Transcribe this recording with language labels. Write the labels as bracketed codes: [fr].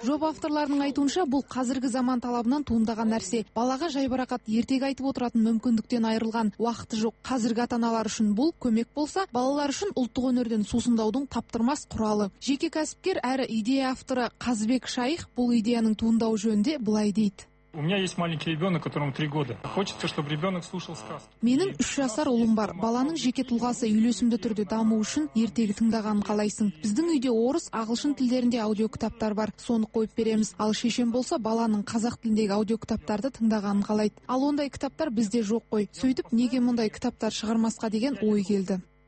[kk] Жоба авторларының айтуынша, бұл қазіргі заман талабынан туындаған нәрсе. Балаға жайбарақат ертегі айтып отыратын мүмкіндіктен айырылған уақыты жоқ. Қазіргі ата-аналар үшін бұл көмек болса, балалар үшін ұлттық өнерден сусындаудың таптырмас құралы. Жеке кәсіпкер әрі идея авторы Қазбек Шайх бұл идеяның туындауы жөнінде былай дейді. [ru] У меня есть маленький ребенок, которому 3 года. Хочется, чтобы ребенок слушал сказку. [kk] Менің 3 жасар ұлым бар. Баланың жеке тұлғасы үйлесімді түрде дамуы үшін ертегі тыңдағанын қалайсың. Біздің үйде орыс, ағылшын тілдерінде аудиокітаптар бар. Соны қойып береміз. Ал шешем болса, баланың қазақ тіліндегі аудиокітаптарды тыңдағанын қалайды. Ал ондай кітаптар бізде жоқ қой. Сөйтіп неге мындай кітаптар шығармасқа деген ой келді.